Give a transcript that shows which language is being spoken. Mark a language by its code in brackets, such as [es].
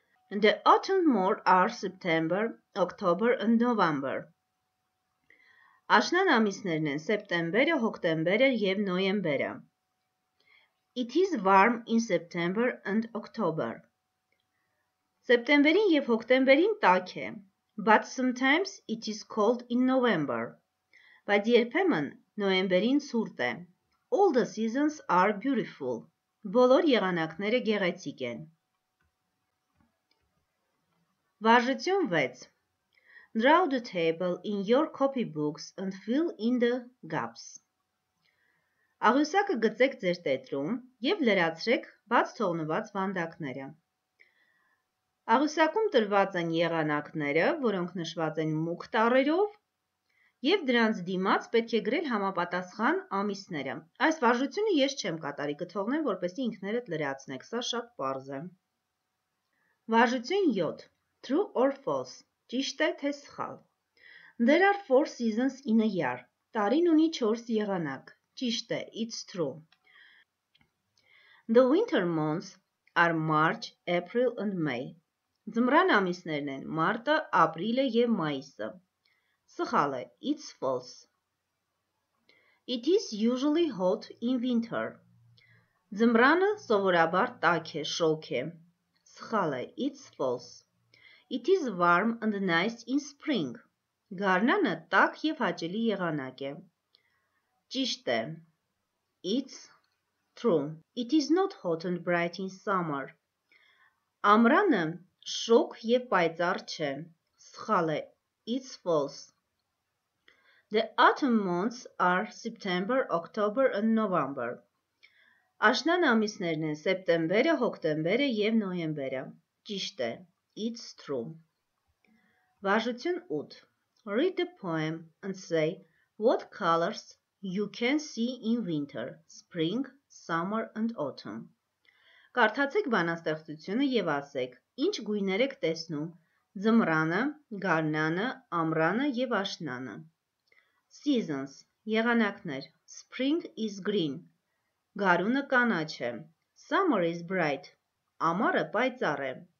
[en] The autumn months are September, October and November. [hy] Աշնան ամիսներն են սեպտեմբերը, հոկտեմբերը եւ նոյեմբերը. [en] It is warm in September and October. [hy] Սեպտեմբերին եւ հոկտեմբերին տաք է. [en] But sometimes it is cold in November. [hy] Բայց երբեմն նոյեմբերին ցուրտ է. [en] All the seasons are beautiful. [hy] Բոլոր եղանակները գեղեցիկ են. Վարժություն 6. [en] Draw the table in your copy books and fill in the gaps. [hy] Աղյուսակը գցեք ձեր տետրում եւ լրացրեք բաց թողնված վանդակները։ Աղյուսակում տրված են եղանակները, որոնք նշված են մուգ տառերով, եւ դրանց դիմաց պետք է գրել համապատասխան ամիսները։ Այս վարժությունը ես չեմ կատարի, կթողնեմ, որպեսզի ինքներդ լրացնեք, սա շատ պարզ է։ Վարժություն 7. [en] True or false. [hy] Ճիշտ է թե սխալ։ [en] There are 4 seasons in a year. [hy] Տարին ունի 4 եղանակ։ Ճիշտ է, [en] it's true. The winter months are March, April and May. [hy] Ձմռան ամիսներն են մարտը, ապրիլը եւ մայիսը։ Սխալ է, [en] it's false. It is usually hot in winter. [hy] Zemrana sovorabar tak e shoke. Sxale, [en] it's false. It is warm and nice in spring. [hy] Garnana tak yev hacheli yeganak e. Ճիշտ է. [en] It's true. It is not hot and bright in summer. [hy] Ամրանը շոգ եւ պայծառ չէ. Սխալ է. [en] It's false. The autumn months are September, October and November. [hy] Աշնան ամիսներն են սեպտեմբերը, հոկտեմբերը եւ նոյեմբերը. Ճիշտ է. [en] It's true. [hy] Վարժություն 8. [en] Read the poem and say what colors you can see in winter, spring, summer and autumn. [hy] Կարդացեք բանաստեղծությունը եւ ասեք. Ինչ գույներ եք տեսնում? Ձմռանը, գարնանը, ամռանը եւ աշնանը. [en] Seasons. [hy] Եղանակներ. [en] Spring is green. [hy] Գարունը կանաչ է. [en] Summer is bright. [hy] Ամառը պայծառ է.